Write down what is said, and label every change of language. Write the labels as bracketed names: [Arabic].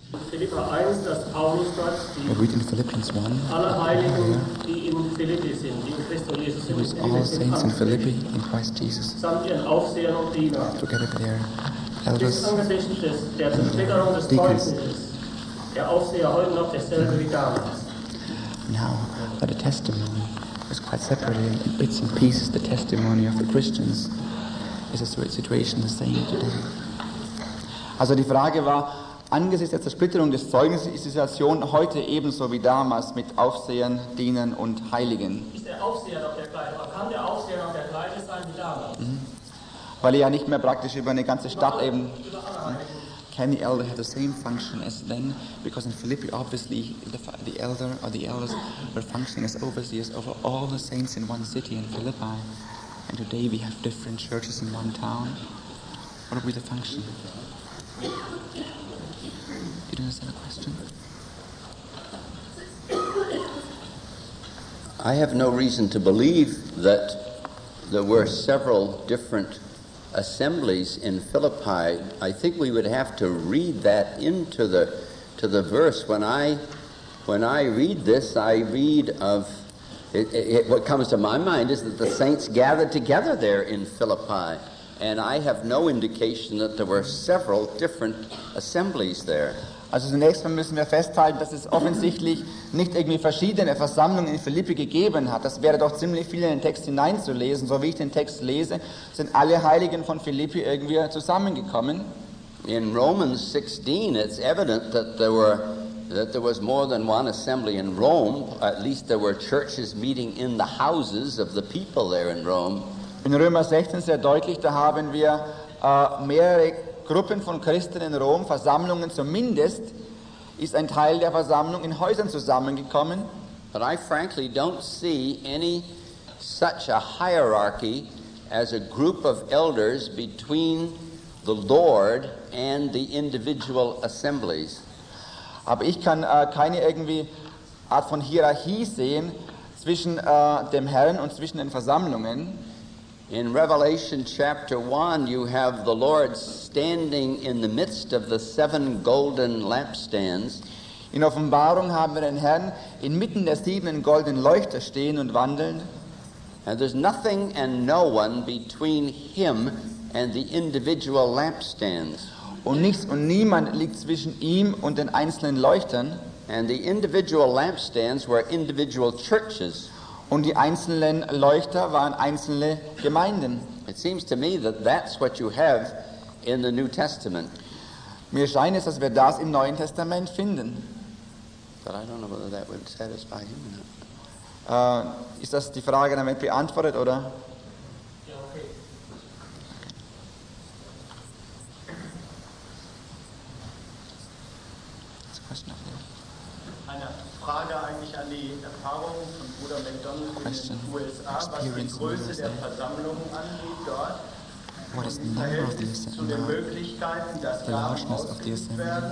[German] Philipper 1, dass Paulus sagt, [English] die in Philippians 1, [German] alle Heiligen, yeah, die in Philippi sind, die in Christus Jesus sind, [English] who's all saints in Philippi, in Christ Jesus, [German] samt ihren Aufsehern und Dienern. [English] Together there. [German] Elders, angesichts der Zertrickerung des Zeugnisses, der Aufseher heute noch dasselbe wie damals. [English] Now, but a testimony is quite separately, in bits and pieces, the testimony of the Christians is a situation the same today. [German] Also die Frage war, angesichts der Zersplitterung des Zeugnisses ist die Situation heute ebenso wie damals mit Aufsehern, Dienern und Heiligen. Ist der Aufseher noch der gleiche, oder kann der Aufseher noch der gleiche sein wie damals? Mhm. Weil er ja nicht mehr praktisch über eine ganze Stadt eben... [English] Can the elder have the same function as then? Because in Philippi, obviously, the elder or the elders were functioning as overseers over all the saints in one city in Philippi. And today we have different churches in one town. What would be the function? Do you understand the question? I have no reason to believe that there were several different assemblies in Philippi. I think we would have to read that into the verse. When I read this, I read of it, what comes to my mind is that the saints gathered together there in Philippi, and I have no indication that there were several different assemblies there. [German] Also zunächst mal müssen wir festhalten, dass es offensichtlich nicht irgendwie verschiedene Versammlungen in Philippi gegeben hat. Das wäre doch ziemlich viel in den Text hineinzulesen. So wie ich den Text lese, sind alle Heiligen von Philippi irgendwie zusammengekommen. [English] In Romans 16, it's evident that there was more than one assembly in Rome. At least there were churches meeting in the houses of the people there in Rome. [German] In Römer 16 sehr deutlich, da haben wir mehrere Gruppen von Christen in Rom, Versammlungen zumindest, ist ein Teil der Versammlung in Häusern zusammengekommen. [English] But I frankly don't see any such a hierarchy as a group of elders between the Lord and the individual assemblies. [German] Aber ich kann keine irgendwie Art von Hierarchie sehen zwischen dem Herrn und zwischen den Versammlungen. [English] In Revelation chapter 1, you have the Lord standing in the midst of the seven golden lampstands. [German] In Offenbarung haben wir den Herrn inmitten der sieben goldenen Leuchter stehen und wandeln. [English] And there's nothing and no one between him and the individual lampstands. [German] Und nichts und niemand liegt zwischen ihm und den einzelnen Leuchtern. [English] And the individual lampstands were individual churches. [German] Und die einzelnen Leuchter waren einzelne Gemeinden. [English] It seems to me that that's what you have in the New Testament. [German] Mir scheint es, dass wir das im Neuen Testament finden. [English] But I don't know whether that would satisfy him or not. [German] Ist das die Frage damit beantwortet, oder? Ja, okay. Das ist eine Frage eigentlich an die Erfahrung von Bruder McDonald in den USA, was die Größe der Versammlung angeht dort. [English] What is the number of the assembly? The largeness of the assembly?